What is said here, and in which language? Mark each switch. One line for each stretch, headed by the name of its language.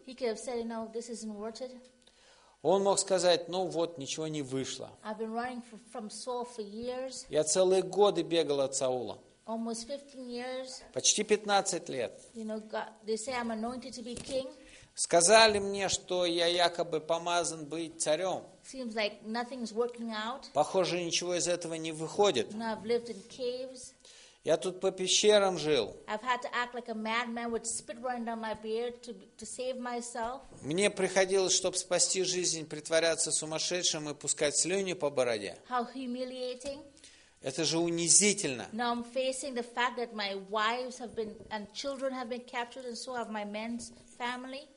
English: He could have said, you know, this isn't worth it.
Russian: Он мог сказать, ну вот, ничего не вышло.
English: I've been running from Saul for years.
Russian: Я целые годы бегал от Саула.
English: Almost 15 years.
Russian: Почти 15 лет.
English: You know, God, they say I'm anointed to be king.
Russian: Сказали мне, что я якобы помазан быть царем.
English: Seems like nothing's working out.
Russian: Похоже, ничего из этого не выходит.
English: You know, I've lived in caves.
Russian: Я тут по пещерам жил.
English: I've had to act like a madman with spit running down my beard to save myself.
Russian: Мне приходилось, чтобы спасти жизнь, притворяться сумасшедшим и пускать слюни по бороде.
English: How humiliating.
Russian: Это же унизительно.
English: Now I'm facing the fact that my wives have been and children have been captured and so have my men's family.